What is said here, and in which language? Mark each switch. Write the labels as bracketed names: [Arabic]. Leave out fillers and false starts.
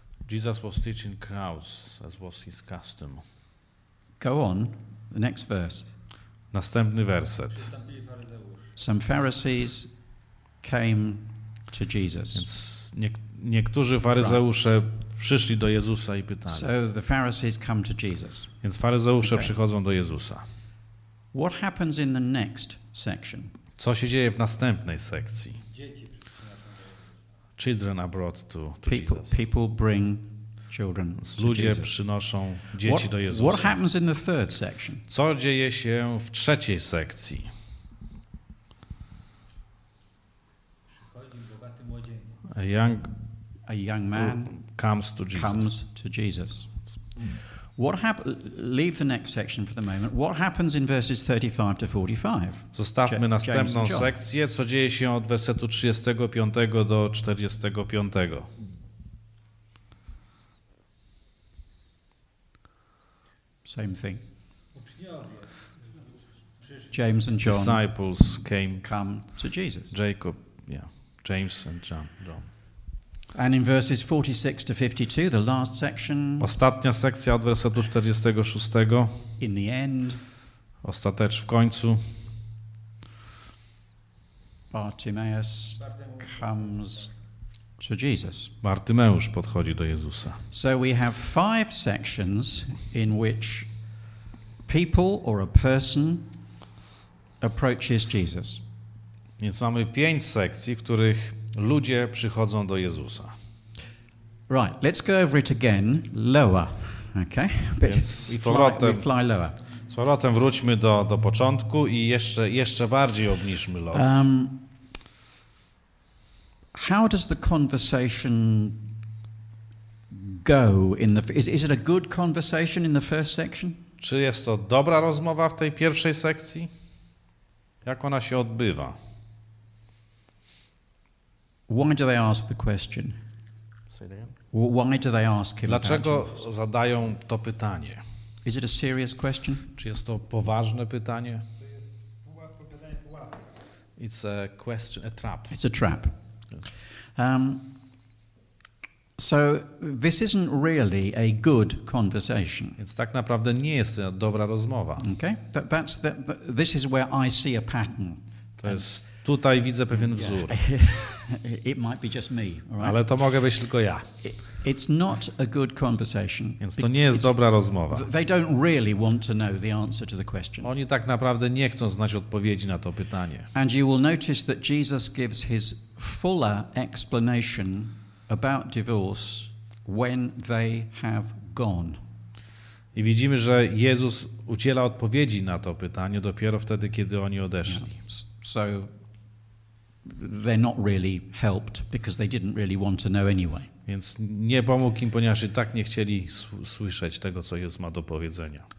[English] Jesus was teaching crowds, as was his custom. Go on, the next verse. [Polish] Następny werset. [English] Some Pharisees came to Jesus. [Polish] Więc niektórzy faryzeusze przyszli do Jezusa i pytali. [English] So the Pharisees come to Jesus. [Polish] Więc faryzeusze przychodzą do Jezusa. [English] What happens in the next section? [Polish] Co się dzieje w następnej sekcji? [English] Children are brought to Jesus. People bring children to Jesus. [Polish] Ludzie przynoszą dzieci do Jezusa. [English] What happens in the third section? [Polish] Co dzieje się w trzeciej sekcji? Przychodzi bogaty młodzieniec. [English] A young man comes to Jesus. What leave the next section for the moment. What happens in verses 35 to 45? [Polish] Zostawmy następną sekcję. Co dzieje się od wersetu 35 do 45? [English] Same thing. James and John. Disciples came. Come to Jesus. Jacob, yeah. James and John. And in verses 46 to 52, the last section. [Polish] Ostatnia sekcja od wersetu 46. [English] In the end. [Polish] Ostatecz w końcu. [English] Bartimaeus comes to Jesus. [Polish] Bartymeusz podchodzi do Jezusa. [English] So we have five sections in which people or a person approaches Jesus. [Polish] Więc mamy pięć sekcji, w których ludzie przychodzą do Jezusa. [English] Right, let's go over it again, lower, okay? We fly lower. [Polish] Z powrotem wróćmy do początku i jeszcze bardziej obniżmy lot. [English] How does the conversation go in the? Is it a good conversation in the first section? [Polish] Czy jest to dobra rozmowa w tej pierwszej sekcji? Jak ona się odbywa? [English] Why do they ask the question? Why do they ask him? [Polish] Dlaczego zadają to pytanie? [English] Is it a serious question? [Polish] Czy jest to poważne pytanie? [English] It's a question, a trap. It's a trap. So this isn't really a good conversation. [Polish] Więc tak naprawdę nie jest to dobra rozmowa. [English] Okay? This is where I see a pattern. [Polish] Tutaj widzę pewien wzór. [English] It might be just me, right? [Polish] Ale to mogę być tylko ja. [English] It's not a good conversation. [Polish] Więc to nie jest dobra rozmowa. [English] They don't really want to know the answer to the question. [Polish] Oni tak naprawdę nie chcą znać odpowiedzi na to pytanie. [English] And you will notice that Jesus gives his fuller explanation about divorce when they have gone. [Polish] I widzimy, że Jezus udziela odpowiedzi na to pytanie dopiero wtedy, kiedy oni odeszli. [English] So they're not really helped because they didn't really want to know anyway. [Polish] Więc nie pomógł im, ponieważ i tak nie chcieli słyszeć tego, co Jezus ma do powiedzenia.